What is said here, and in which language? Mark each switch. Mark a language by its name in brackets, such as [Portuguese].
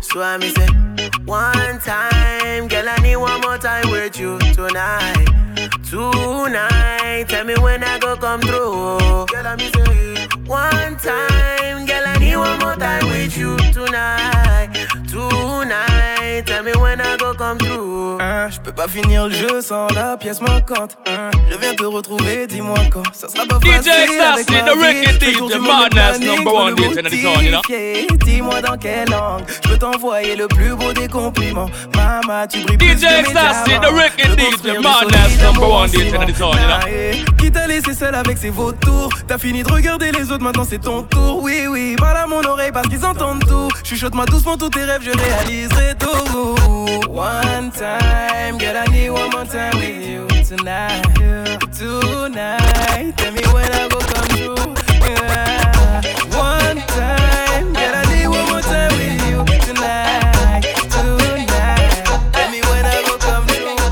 [English] So I me say, one time, girl, I need one more time with you tonight. Tonight, tell me when I go come through. Girl, I miss you. One time, girl, I need one more time with you tonight. Tonight, tell me when I go come through. [French] Je peux pas finir le jeu sans la pièce manquante. Je viens te retrouver, dis-moi quand. Ça sera pas facile DJ avec ma vie. [English] The Ricky D, the madness number one DJ in the zone, you know. [French] Dis-moi dans quelle langue je peux t'envoyer le plus beau des compliments. Mama, tu brilles [English] DJ [French] plus que mes diamants. [English] The Ricky D, the madness number one DJ in the zone, you know. [French] Qui t'a laissé seul avec ses vautours. T'as fini de regarder les autres, maintenant c'est ton tour. Oui, oui, parle à mon oreille parce qu'ils entendent tout. Chuchote-moi doucement tous tes rêves, je réaliserai tout. [English] One time. Girl, I need one more time with you tonight. Tonight, tell me when I go come through. Yeah. One time, girl, I need one more time with you tonight. Tonight, tell me when I go come through.